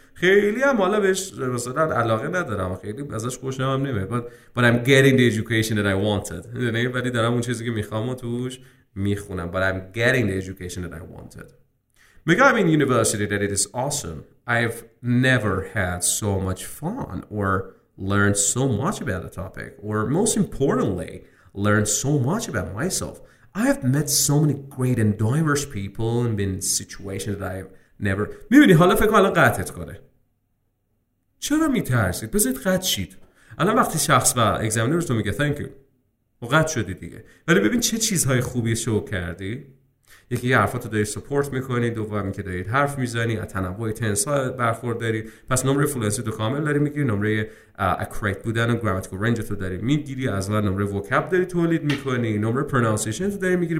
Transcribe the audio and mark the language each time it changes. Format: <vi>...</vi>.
<fa>خیلی هم حالا بهش مثلا علاقه ندارم، خیلی ازش خوشم هم نمیاد.</fa> <en>But I'm getting the education that I wanted.</en> <fa>یعنی ولی دارم اون چیزی که میخوام و توش میخونم.</fa> <en>But I'm getting the education that I wanted.</en> <fa>میگه</fa> <en>I'm in university that it is awesome. I've never had so much fun or learned so much about a topic or most importantly learned so much about myself. I have met so many great and diverse people and been in situations that I've never...</en> <fa>میبینی حالا فکر کنم الان قطعت کنه. چرا میترسید؟ بذارید قطع شید. الان وقتی شخص و اگزامینر تو میگه</fa> <en>thank you</en> <fa>و قطع شدی دیگه. ولی ببین چه چیزهای خوبی شو کردی؟ یکی یه حرفات رو دارید سپورت میکنید، دوباره که دارید حرف میزنی، از تنوع تنس ها برخورد دارید، پس نمره فلوئنسی تو کامل داری میگیری، نمره اکوریت بودن و گراماتیکال رنج تو داری میگیری، از الان نمره وکب داری تولید میکنی، نمره پرونانسیشن تو داری میگیری.</fa>